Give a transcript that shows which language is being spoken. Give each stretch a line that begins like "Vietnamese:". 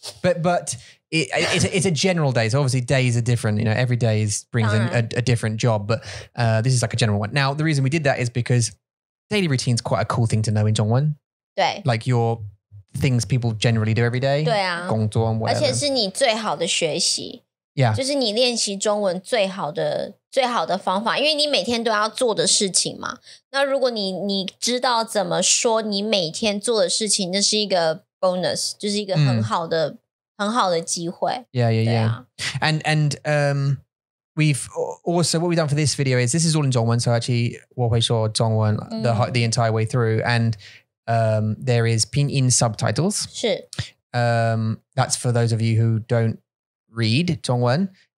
English: But,It's a general day. So obviously days are different. You know, every day brings in a different job, but this is like a general one. Now, the reason we did that is because daily routine is quite a cool thing to know in 中文.
Chinese: 对.
English: Like your things people generally do every day.
Chinese: 对啊。
English: 工作 and whatever.
Chinese: 而且是你最好的学习。
English: Yeah.
Chinese: 就是你练习中文最好的方法。因为你每天都要做的事情嘛。那如果你知道怎么说你每天做的事情那是一个 bonus, 就是一个很好的很好的机会。
English: Yeah. And we've also, what we've done for this video is, this is all in 中文, so actually,
Chinese: 我会说中文
English: the entire way through, and there is 拼音 subtitles.
Chinese: 是。
English: That's for those of you who don't read 中文.